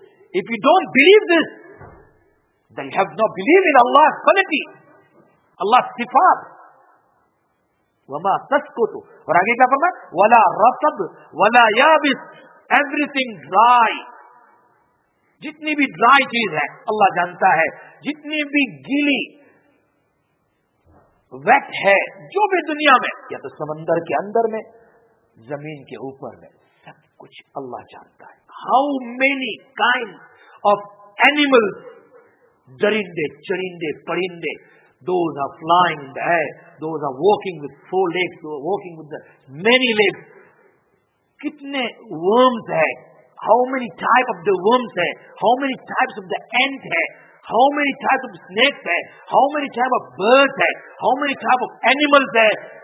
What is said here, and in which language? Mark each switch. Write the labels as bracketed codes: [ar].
[en] If you don't believe this, then you have no belief in Allah's quality, Allah's sifat. [ar] وَمَا تَسْكُتُ. [ur] اور آگے کیا فرمائے, [ar] وَلَا رَطَبْ وَلَا يَابِسْ. [en] Everything dry, [ur] جتنی بھی dry چیز ہے اللہ جانتا ہے, جتنی بھی گیلی wet ہے, جو بھی دنیا میں, یا تو سمندر کے اندر میں, زمین کے اوپر میں, سب کچھ اللہ جانتا ہے. [en] How many kinds of animals, [ur] درندے, چرندے, پرندے, [en] those are flying in the air, those are walking with four legs, those are walking with the many legs. Kitne worms hai, how many type of the worms hai, how many types of the ant hai, how many types of snakes hai, how many type of birds hai, how many type of animals hai.